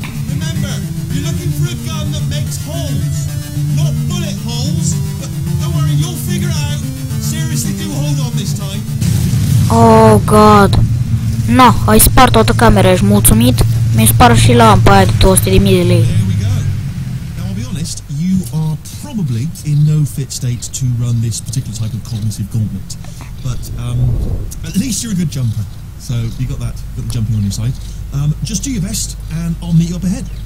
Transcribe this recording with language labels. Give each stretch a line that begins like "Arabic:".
English: Remember, you're looking for a gun that makes holes. Not bullet holes, but don't worry, you'll figure it out. Seriously, do hold on this time. Oh god.
Romanian: Na, ai spart toată camera, ești mulțumit? Mi-ai spart și lampa aia de 200.000 de lei.
English: There we go. Now, I'll be honest, you are probably in no fit state to run this particular type of cognitive gauntlet. But, at least you're a good jumper. So you got that, got the jumping on your side. Just do your best and I'll meet you up ahead.